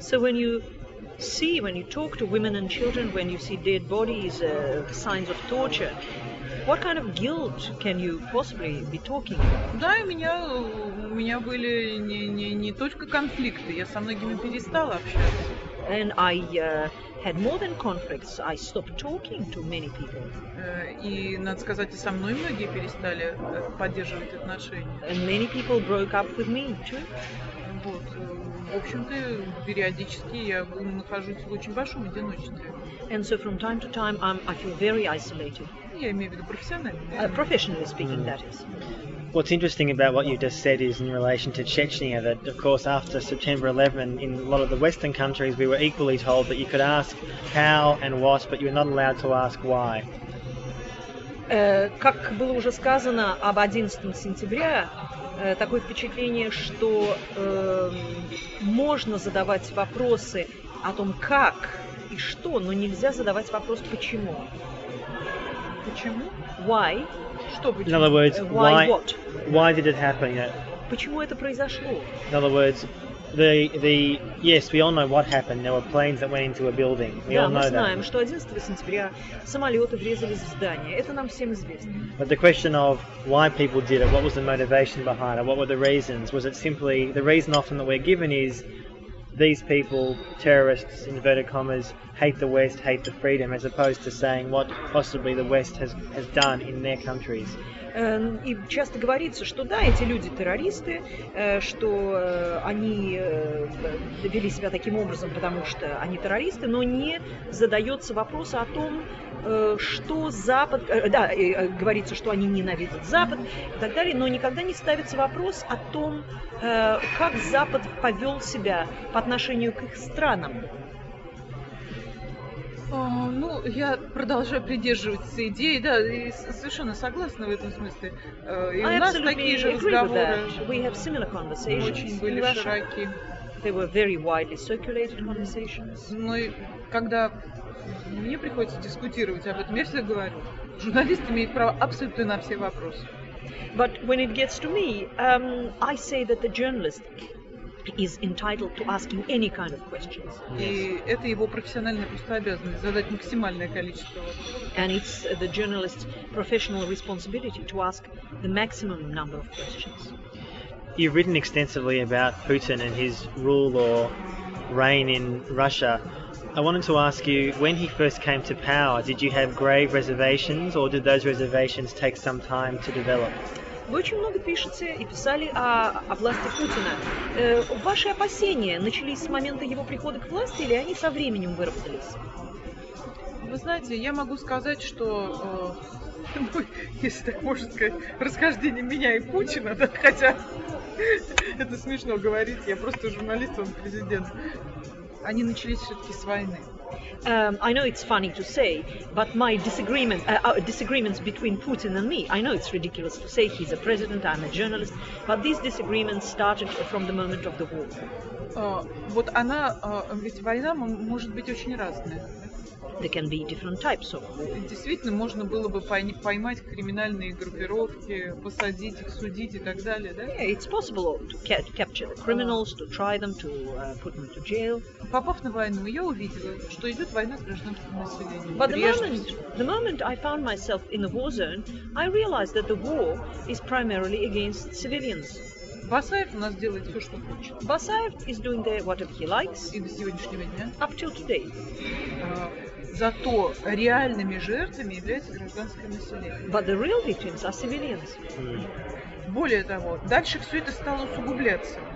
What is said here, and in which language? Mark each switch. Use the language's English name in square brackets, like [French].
[English] So when you see, when you talk to women and children, when you see dead bodies, signs of torture, what kind of guilt can you possibly be talking about? [Russian] Да, у меня были не только конфликты, я со многими перестала общаться. [English] And I had more than conflicts, I stopped talking to many people. [Russian] И, надо сказать, и со мной многие перестали поддерживать отношения. [English] And many people broke up with me too. [Russian] Вот, в общем-то, периодически я нахожусь в очень большом одиночестве. [English] And so from time to time I feel very isolated. [Russian] Я имею в виду профессионально. [English] Professionally speaking, that is. What's interesting about what you just said is in relation to Chechnya, that of course after September 11 in a lot of the Western countries we were equally told that you could ask how and what, but you were not allowed to ask why. [Russian] Как было уже сказано об 11 сентября, такое впечатление, что можно задавать вопросы о том, как и что, но нельзя задавать вопрос почему. Почему? [English] Why? [Russian] Что почему? [English] In other words, why what? Why did it happen? [Russian] Почему это произошло? [English] In other words, the yes, we all know what happened. There were planes that went into a building. We [Russian] да, [English] all know that. [Russian] Да, мы знаем, что 11 сентября самолеты врезались в здание. Это нам всем известно. [English] But the question of why people did it, what was the motivation behind it, what were the reasons? Was it simply the reason often that we're given is these people, terrorists, inverted commas, hate the West, hate the freedom, as opposed to saying what possibly the West has done in their countries. [Russian] И часто говорится, что да, эти люди террористы, что они вели себя таким образом, потому что они террористы, но не задается вопрос о том, что Запад, да, говорится, что они ненавидят Запад и так далее, но никогда не ставится вопрос о том, как Запад повел себя по отношению к их странам. Ну, я продолжаю придерживаться идеи, да, и совершенно согласна в этом смысле. И у нас такие же разговоры. [English] We have similar conversations. [Russian] Очень были широки. [English] They were very widely circulated conversations. [Russian] Ну, когда мне приходится дискутировать об этом, я всегда говорю, журналист имеет право абсолютно на все вопросы. [English] But when it gets to me, I say that the journalist is entitled to asking any kind of questions. [Russian] И это его профессиональная просто обязанность задать максимальное количество вопросов. [English] And it's the journalist's professional responsibility to ask the maximum number of questions. You've written extensively about Putin and his rule or reign in Russia. I wanted to ask you, when he first came to power, did you have grave reservations or did those reservations take some time to develop? [Russian] Вы очень много пишете и писали о власти Путина. Ваши опасения начались с момента его прихода к власти или они со временем выработались? Вы знаете, я могу сказать, что, если так можно сказать, расхождение меня и Путина, да, хотя это смешно говорить, я просто журналист, он президент, они начались все-таки с войны. [English] I know it's funny to say, but my disagreement, disagreements between Putin and me, I know it's ridiculous to say he's a president, I'm a journalist, but these disagreements started from the moment of the war. [Russian] Вот она, ведь война может быть очень разная. [English] There can be different types of war. [Russian] Действительно, можно было бы поймать криминальные группировки, посадить их, судить и так далее, да? [English] Yeah, it's possible to capture the criminals, to try them, to put them to jail. [Russian] Попав на войну, я увидела, что идет война с гражданским населением. [English] But the moment I found myself in the war zone, I realized that the war is primarily against civilians. [Russian] Басаев у нас делает все, что хочет. [English] Basayev is doing the whatever he likes. [Russian] И до сегодняшнего дня. [English] Up till today. [Russian] Зато реальными жертвами является гражданское население. [English] But the real victims are civilians. [Russian] Более того, дальше все это стало усугубляться.